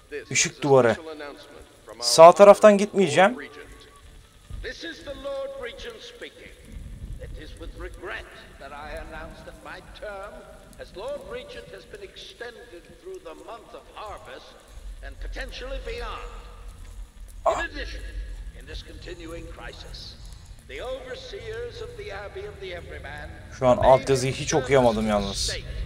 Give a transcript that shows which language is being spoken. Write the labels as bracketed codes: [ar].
[tr] Işık duvarı. Sağ taraftan gitmeyeceğim. [en] This is the Lord Regent speaking. It is with regret that I announce that my term as Lord Regent has been extended through the month of harvest and potentially beyond. In addition, in this continuing crisis, the overseers of the Abbey of the Everyman. [tr] Şu an altyazıyı hiç okuyamadım yalnız.